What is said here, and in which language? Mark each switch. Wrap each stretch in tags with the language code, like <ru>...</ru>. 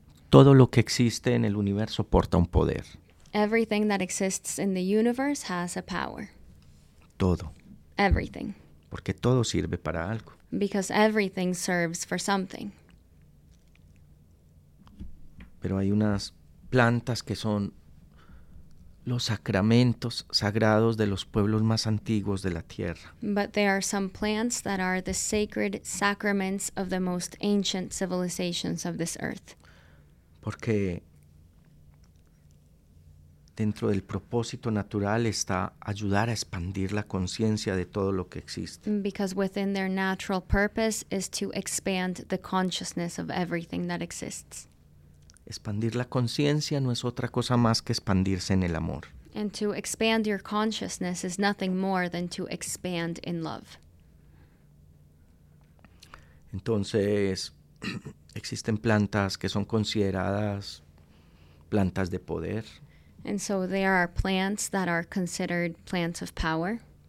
<es>Todo lo que existe en el universo porta un poder.</es> <en>Everything that exists in the universe has a power.</en> <es>Todo.</es> <en>Everything.</en> <es>Porque todo sirve para algo.</es> <en>Because everything serves for something.</en> <es>Pero hay unas plantas que son los sacramentos sagrados de los pueblos más antiguos de la tierra.</es> <en>But there are some plants that are the sacred sacraments of the most ancient civilizations of this earth.</en> <es>Porque dentro del propósito natural está ayudar a expandir la conciencia de todo lo que existe.</es> <en>Because within their natural purpose is to expand the consciousness of everything that exists.</en> <es>Expandir la conciencia no es otra cosa más que expandirse en el amor.</es> <en>And to expand your consciousness is nothing more than to expand in love.</en> <es>Entonces, existen plantas que son consideradas plantas de poder.</es> <en>And so there are plants that are considered plants of power.</en>